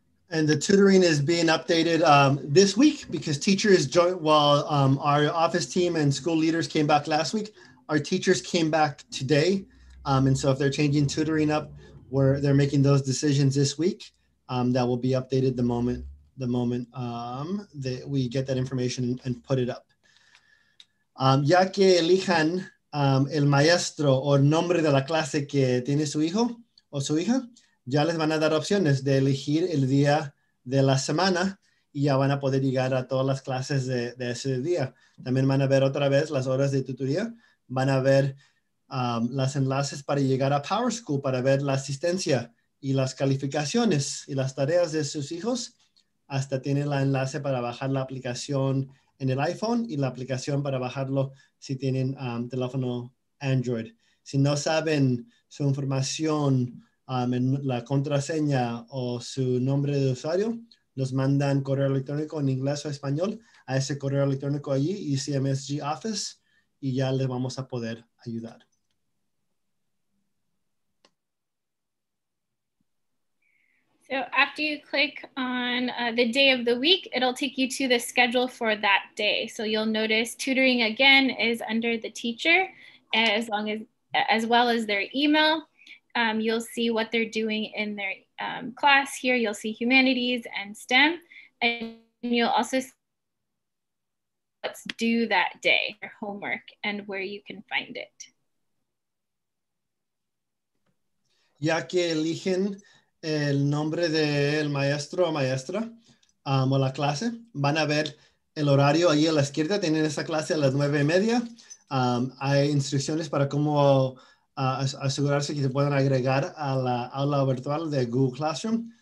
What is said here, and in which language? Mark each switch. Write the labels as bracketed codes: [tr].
[en] And the tutoring is being updated this week because teachers joined, our office team and school leaders came back last week, our teachers came back today. And so if they're changing tutoring up, where they're making those decisions this week, that will be updated the moment that we get that information and put it up. [es] Ya que elijan el maestro o nombre de la clase que tiene su hijo o su hija, ya les van a dar opciones de elegir el día de la semana y ya van a poder llegar a todas las clases de ese día. También van a ver otra vez las horas de tutoría, van a ver las enlaces para llegar a PowerSchool para ver la asistencia y las calificaciones y las tareas de sus hijos. Hasta tiene el enlace para bajar la aplicación en el iPhone y la aplicación para bajarlo si tienen teléfono Android. Si no saben su información, en la contraseña o su nombre de usuario, nos mandan correo electrónico en inglés o español a ese correo electrónico allí, ECMSG Office, y ya le vamos a poder ayudar. [en] So after you click on the day of the week, it'll take you to the schedule for that day. So you'll notice tutoring again is under the teacher as well as their email. You'll see what they're doing in their class here. You'll see humanities and STEM. And you'll also what's due that day, your homework, and where you can find it. [es] Ya que eligen el nombre del maestro o maestra o la clase, van a ver el horario ahí a la izquierda. Tienen esa clase a las 9:30. Hay instrucciones para cómo asegurarse que se puedan agregar a la aula virtual de Google Classroom.